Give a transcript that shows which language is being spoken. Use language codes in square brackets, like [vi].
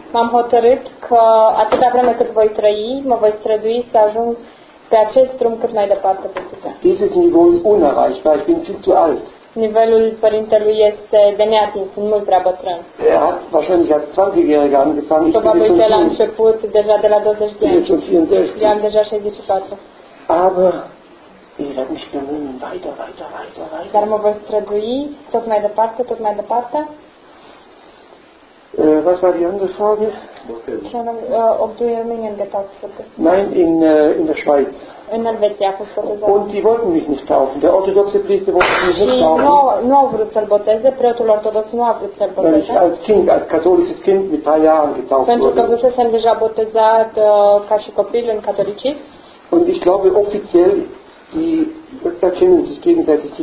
[ro] M-am hotărât că atâta vreme cât voi trăi, mă voi strădui să ajung pe acest drum cât mai departe pe putea. [de] Dieses Niveau ist unerreichbar, ich bin viel zu alt. [ro] Nivelul părintelui este de neatins, sunt mult prea bătrân. [de] Er hat wahrscheinlich als 20-jähriger angefangen. [ro] Probabil că l-a început deja de la 20 de ani. Eu am deja 64. [de] Aber ich werde mich bemühen, weiter. [ro] Dar mă voi strădui tot mai departe. [de] Was war die andere Frage? Ob du in Rumänien getauft wurdest? Nein, in der Schweiz. In Helvetia, hast du gesagt. Und die wollten mich nicht taufen. Der orthodoxe Priester wollte mich nicht taufen. [ro] Nu au vrut să-l boteze, preotul ortodox nu a vrut să-l boteze. [de] Weil ich als Kind, als katholisches Kind mit 3 Jahren getauft wurde. [ro] Pentru că fusesem deja botezat ca și copil în catolicism. [de] Und ich glaube offiziell, die erkennen sich gegenseitig zu